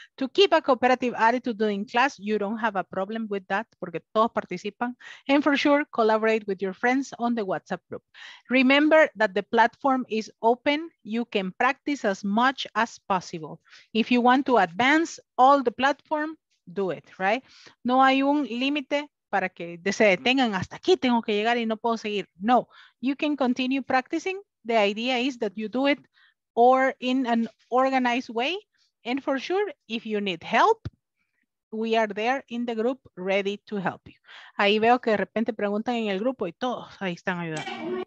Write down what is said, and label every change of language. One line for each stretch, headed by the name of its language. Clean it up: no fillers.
English: To keep a cooperative attitude during class, you don't have a problem with that
Spanish: porque todos participan.
English: And for sure, collaborate with your friends on the WhatsApp group. Remember that the platform is open. You can practice as much as possible. If you want to advance all the platform, do it, right?
Spanish: No hay un límite para que se detengan hasta aquí, tengo que llegar y no puedo seguir.
English: No, you can continue practicing. The idea is that you do it or in an organized way. And for sure, if you need help, we are there in the group ready to help you.
Spanish: Ahí veo que de repente preguntan en el grupo y todos ahí están ayudando.